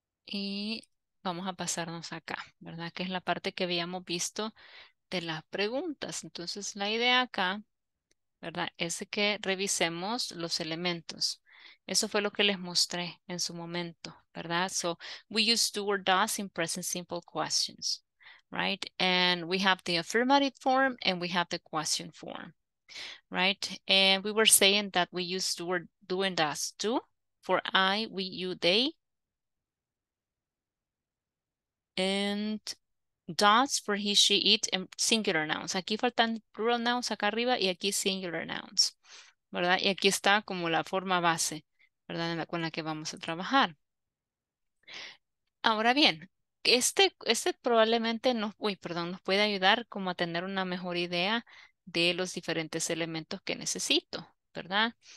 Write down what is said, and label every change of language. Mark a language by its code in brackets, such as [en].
[es] Y vamos a pasarnos acá, ¿verdad? Que es la parte que habíamos visto de las preguntas. Entonces, la idea acá, ¿verdad? Es que revisemos los elementos. Eso fue lo que les mostré en su momento, ¿verdad? [en] So, we use do or does in present simple questions. Right, and we have the affirmative form and we have the question form, right? And we were saying that we use the word do and does too. For I, we, you, they. And does for he, she, it, and singular nouns. [es] Aquí faltan plural nouns acá arriba y aquí singular nouns, ¿verdad? Y aquí está como la forma base, ¿verdad? Con la que vamos a trabajar. Ahora bien, Este probablemente nos puede ayudar como a tener una mejor idea de los diferentes elementos que necesito, ¿verdad?